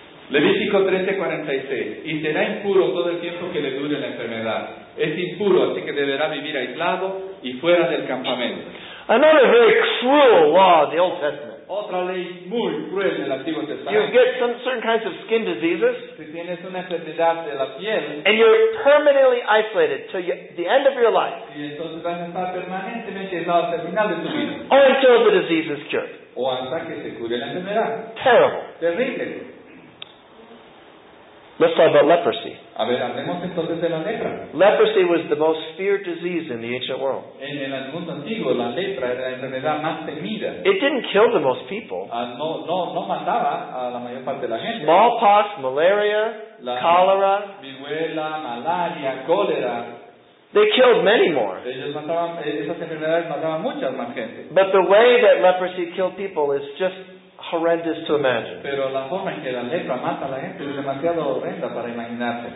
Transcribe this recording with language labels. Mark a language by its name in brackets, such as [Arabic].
[Spanish] Levítico 13:46. Y será impuro todo el tiempo que le dure la enfermedad. Es impuro, así que deberá vivir aislado y fuera del campamento. [English] Another very cruel law of the Old Testament. [Spanish] Otra ley muy cruel del Antiguo Testamento. [English] You get some certain kinds of skin diseases. [Spanish] Si tienes una enfermedad de la piel, [English] and you're permanently isolated till the end of your life. [Spanish] Y entonces vas a estar permanentemente aislado hasta el final de tu vida. [English] Or until the disease is cured. [Spanish] O hasta que se cure la enfermedad. [English] Terrible. [Spanish] Terrible. [English] Let's talk about leprosy. [Spanish] A ver, hablemos entonces de la lepra. [English] Leprosy was the most feared disease in the ancient world. [Spanish] En el mundo antiguo, la lepra era la enfermedad más temida. [English] It didn't kill the most people. [Spanish] No mataba a la mayor parte de la gente. [English] Smallpox, malaria, [Spanish] la [English] cholera, [Spanish] viruela, malaria, cólera. [English] They killed many more. [Spanish] Ellos mataban, esas enfermedades mataban muchas más gente. [English] But the way that leprosy killed people is just horrendous to imagine. [Spanish] Pero la forma en que la lepra mata a la gente es demasiado horrenda para imaginarse.